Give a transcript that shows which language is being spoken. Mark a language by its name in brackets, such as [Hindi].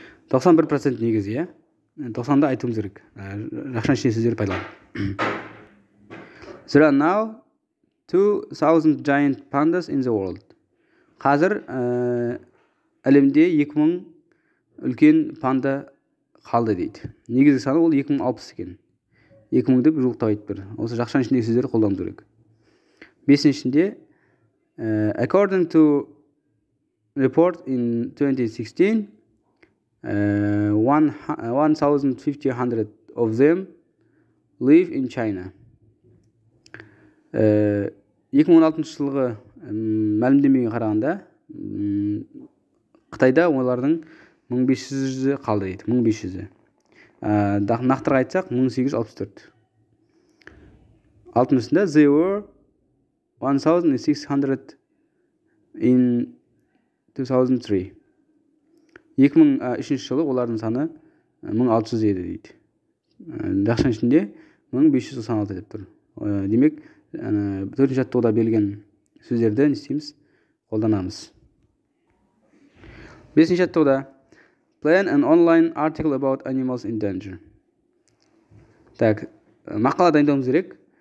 [Kazakh] 91% негізі, иә? 90-ды айтуымыз керек. Жақшан ішінде сөздерді пайдалан. [English] There are now 2,000 giant pandas in the world. [Kazakh] Қазір әлемде 2,000 үлкен панда қалды дейді. Негізгі саны ол 2060 екен. 2,000 деп жуықтап айтып бір. Осы жақшан ішіндегі сөздерді қолдану керек. Бесіншісінде [English] according to report in 2016 1,500 of them live in China. [Kazakh] 2016 жылғы мәлімдемеге қарағанда Қытайда олардың 1500-і қалды дейді. 1500-і. Нақтырақ айтсақ 1864. Алтыншысында [English] they were 1,600 in 2003. [Kazakh] 2003 жылы олардың саны 1600 еді дейді. Жақшан ішінде 1596 деп тұр. Демек, 4-ші жаттығуда берілген сөздерді не істейміз? Қолданамыз. 5-ші жаттығуда [English] plan an online article about animals in danger. [Kazakh] Так, мақала дайындауымыз керек.